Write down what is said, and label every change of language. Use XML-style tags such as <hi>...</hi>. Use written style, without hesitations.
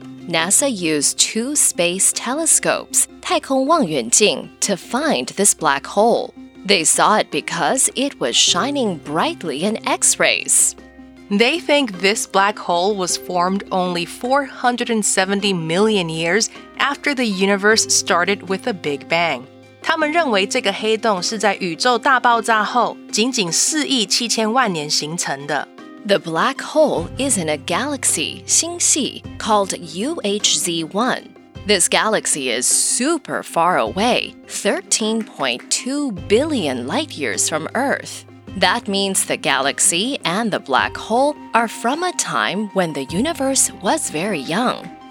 <en>NASA used two space telescopes,</en> <zh>太空望远镜,</zh> <en>to find this black hole. They saw it because it was shining brightly in X-rays. They think this black hole was formed only 470 million years after the universe started with a big bang.</en> <zh>他们认为这个黑洞是在宇宙大爆炸后仅仅四亿七千万年形成的。</zh> <en>The black hole is in a galaxy,</en> <zh>星系,</zh> <en>called UHZ1. This galaxy is super far away, 13.2 billion light years from Earth. That means the galaxy and the black hole are from a time when the universe was very young.</en>